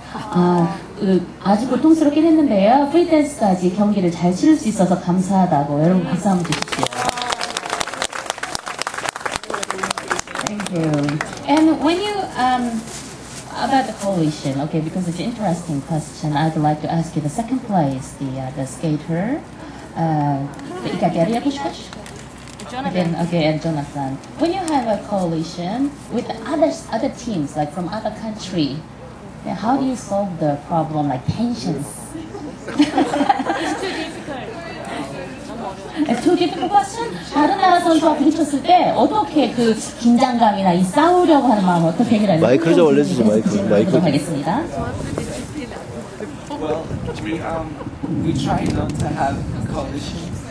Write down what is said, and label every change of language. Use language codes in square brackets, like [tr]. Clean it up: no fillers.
[ko] Ah, 아직 고통스럽긴 했는데요. 프리댄스까지 경기를 잘 치를 수 있어서 감사하다고 여러분 박수 한번 주십시오. [en] Thank you. And when you about the coalition, okay, because it's an interesting question, I'd like to ask you the second place, the skater, the Ikateria Pushkash. Jonathan. Okay, and Jonathan. When you have a coalition with other teams, like from other country, how do you solve the problem, like tensions? It's too difficult. It's too difficult question? [ko] 다른 나라 선수와 부딪혔을 때 어떻게 그 긴장감이나 이 싸우려고 하는 마음 어떻게 해결하는지 마이크 좀 올려주세요, 마이크. 하겠습니다. [en] Well, we try not to have a coalition.